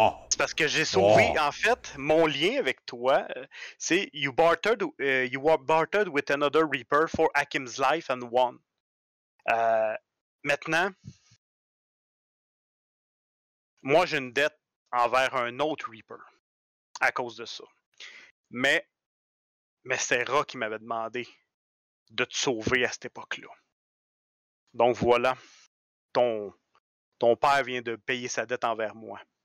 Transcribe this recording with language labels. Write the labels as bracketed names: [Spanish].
[French] C'est parce que j'ai sauvé, en fait, mon lien avec toi. [English] C'est « you are bartered with another reaper for Hakim's life and one. [French] Maintenant, moi, j'ai une dette envers un autre reaper à cause de ça. Mais c'est Ra qui m'avait demandé de te sauver à cette époque-là. Donc voilà, ton père vient de payer sa dette envers moi.